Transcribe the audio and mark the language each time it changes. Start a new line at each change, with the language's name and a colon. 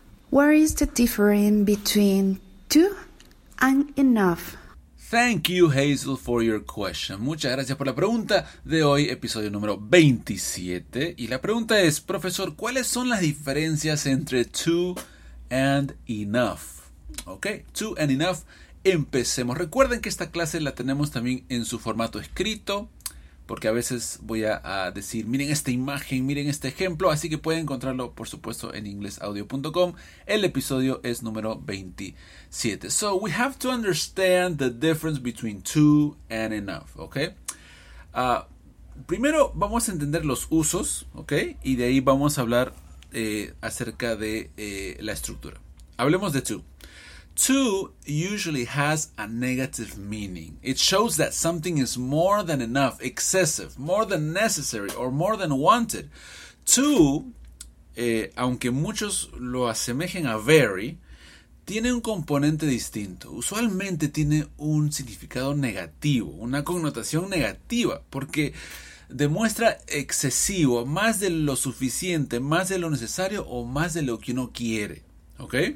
English: What is the difference between too and enough? Thank you, Hazel, for your question.
Spanish: Muchas gracias por la pregunta de hoy, episodio número 27. Y la pregunta es, profesor, ¿cuáles son las diferencias entre too and enough? Ok, too and enough, empecemos. Recuerden que esta clase la tenemos también en su formato escrito, porque a veces voy a decir, miren esta imagen, miren este ejemplo, así que pueden encontrarlo, por supuesto, en inglesaudio.com. El episodio es número 27.
English: So, we have to understand the difference between too and enough, ¿ok?
Spanish: Primero, vamos a entender los usos, ¿ok? Y de ahí vamos a hablar acerca de la estructura. Hablemos de
English: too. Too usually has a negative meaning. It shows that something is more than enough, excessive, more than necessary, or more than wanted.
Spanish: Too, aunque muchos lo asemejen a very, tiene un componente distinto. Usualmente tiene un significado negativo, una connotación negativa, porque demuestra excesivo, más de lo suficiente, más de lo necesario o más de lo que uno quiere. ¿Ok?